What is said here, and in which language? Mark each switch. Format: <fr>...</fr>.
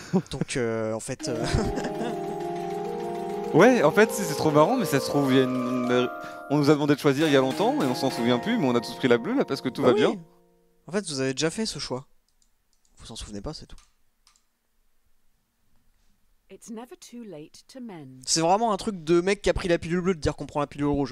<fr>Donc, en fait... Ouais, en fait, c'est trop marrant, mais ça se trouve, on nous a demandé de choisir il y a longtemps, et on s'en souvient plus, mais on a tous pris la bleue, là, parce que tout bah va oui. bien. En fait, vous avez déjà fait ce choix. Vous s'en souvenez pas, c'est tout.</fr> <en>It's never too late to mend.</en> <fr>C'est vraiment un truc de mec qui a pris la pilule bleue de dire qu'on prend la pilule rouge.</fr>